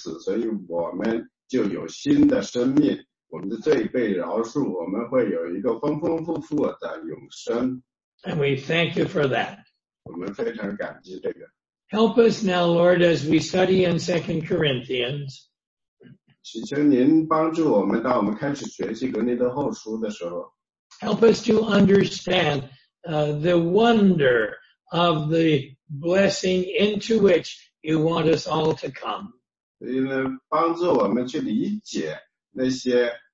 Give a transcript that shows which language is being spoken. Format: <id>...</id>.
<zh>因为他为我们而死，所以我们就有新的生命。我们的罪被饶恕，我们会有一个丰丰富富的永生。</zh> <en>And we thank you for that.</en> <zh>我们非常感激这个。</zh> <en>Help us now, Lord, as we study in 2 Corinthians.</en> <zh>请求您帮助我们，当我们开始学习格林德后书的时候。</zh> <en>Help us to understand the wonder of the blessing into which you want us all to come.</en> <zh>所以呢，帮助我们去理解那些。</zh>